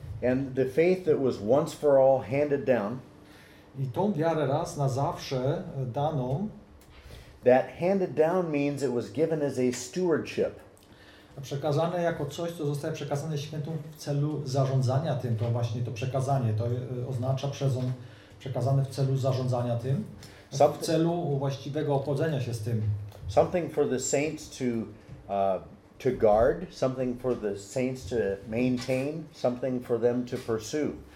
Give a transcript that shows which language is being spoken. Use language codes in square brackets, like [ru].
[en] And the faith that was once for all handed down. [pl] I tą wiarę raz na zawsze daną. [en] That handed down means it was given as a stewardship. [pl] Przekazane jako coś, co zostaje przekazane świętym w celu zarządzania tym, to właśnie to przekazanie, to oznacza przekazane w celu zarządzania tym, w celu właściwego obchodzenia się z tym. [en] Something for the saints to guard, something for the saints to maintain, something for them to pursue.